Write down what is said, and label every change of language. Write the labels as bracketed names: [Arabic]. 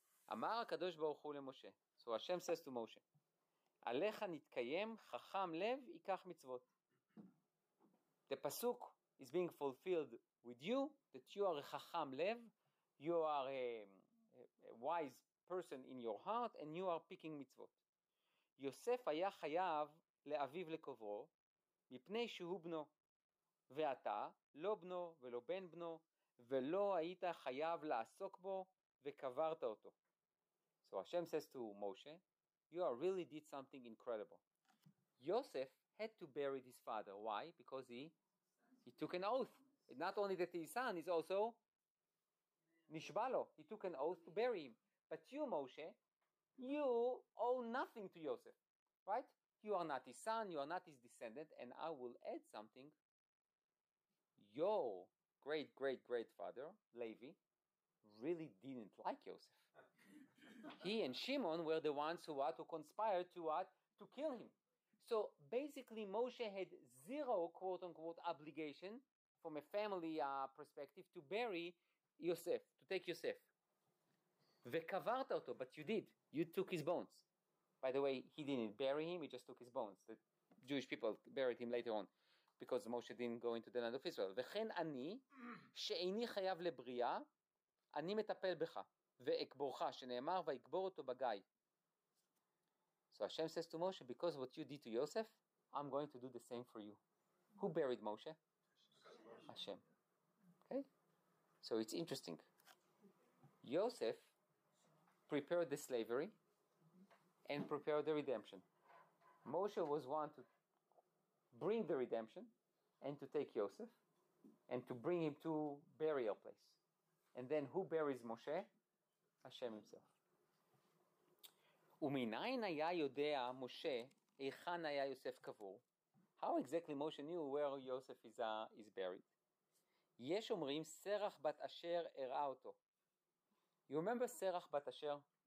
[Hebrew] Amar HaKadosh Baruch Hu leMoshe. [English] So Hashem says to Moshe, [Hebrew] Alecha nitkayem chacham lev ikach mitzvot. [English] The pasuk is being fulfilled with you, that you are a chacham lev, you are a wise person in your heart, and you are picking mitzvot. [Hebrew] Yosef haya chayav leaviv lekovro, מפני שהוא בנו, ואתה לא בנו ולא בן בנו, ולא היית חייב לעסוק בו וקברת אותו. [English] So Hashem says to Moshe, you are really did something incredible. Yosef had to bury his father. Why? Because he took an oath. Not only that his son is also Nishbalo. He took an oath to bury him. But you, Moshe, you owe nothing to Yosef, right? You are not his son, you are not his descendant, and I will add something. Your great, great, great father, Levi, really didn't like Yosef. He and Shimon were the ones who conspired to kill him. So basically, Moshe had zero, quote-unquote, obligation from a family perspective to bury Yosef, to take Yosef. [Hebrew] Vekavarta oto, [English] but you did. You took his bones. By the way, he didn't bury him, he just took his bones. The Jewish people buried him later on because Moshe didn't go into the land of Israel. [Hebrew] וכן אני, שאיני חייב לבריאה, אני מטפל בך, ואקבורך, שנאמר, ואקבור אותו בגיא. [English] So Hashem says to Moshe, because of what you did to Yosef, I'm going to do the same for you. Who buried Moshe? Hashem. Okay? So it's interesting. Yosef prepared the slavery, and prepare the redemption. Moshe was one to bring the redemption and to take Yosef and to bring him to burial place. And then who buries Moshe? Hashem himself. [Hebrew] ומנין היה יודע משה איכן היה יוסף קבור? [English] How exactly Moshe knew where Yosef is buried? [Hebrew] יש אומרים סרח בת אשר הראה אותו. [English] You remember [Hebrew] סרח בת אשר?